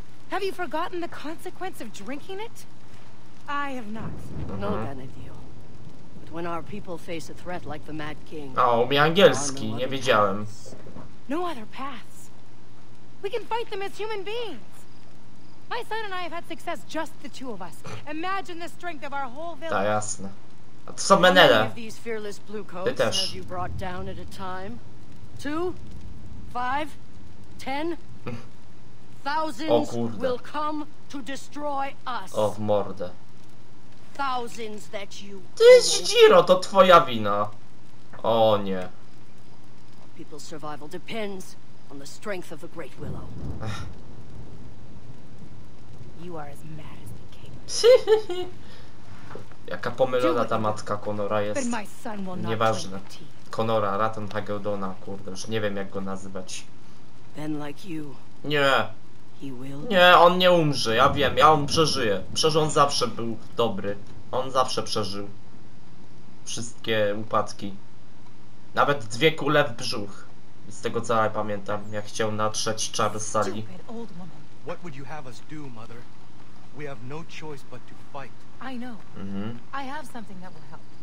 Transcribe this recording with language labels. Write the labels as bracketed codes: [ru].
[en] Have you forgotten the consequence of drinking it? I have not. No, Benedio. But when our people face a threat like the Mad King... [pl] O, umie angielski, nie wiedziałem. [en] No other paths. We can fight them as human beings. My son and I have had success just the two of us. Imagine the strength of our whole village. [pl] Ta, jasne. A to są menele. [en] How many of these fearless bluecoats have you brought down at a time? Two? Five? Ten? Thousands will come to destroy us. [pl] O, w mordę. [en] Thousands that you. [pl] Ty, Ziro, to twoja wina. O nie. [en] Our people's survival depends on the strength of the great willow. You are as mad as the king. [pl] Jaka pomylona ta matka Conora jest. Nieważne. Conora, Raton Hageldona, kurde, już nie wiem jak go nazywać. [en] Then like you. [pl] Nie. Nie, on nie umrze, ja wiem, ja on przeżyje. Przeżył, on zawsze był dobry. On zawsze przeżył. Wszystkie upadki. Nawet dwie kule w brzuch. Z tego co ja pamiętam, jak chciał natrzeć czar sali. [en] What would you have us do, mother? We have no choice but to fight. I know. I have something that will help.